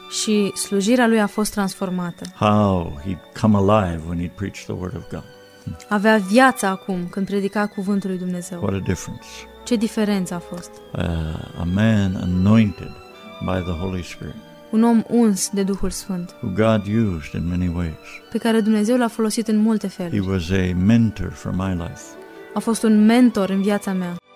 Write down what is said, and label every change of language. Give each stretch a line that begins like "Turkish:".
Romanian: Și slujirea lui a fost transformată.
English: How he'd come alive when he preached the word of God.
Romanian: Avea viața acum când predica cuvântul lui Dumnezeu.
English: What a difference.
Romanian: Ce diferență a fost?
English: A man anointed by the Holy Spirit.
Romanian: Un om uns de Duhul Sfânt.
English: Who God used in many ways.
Romanian: Pe care Dumnezeu l-a folosit în multe feluri.
English: He was a mentor for my life.
Romanian: A fost un mentor în viața mea.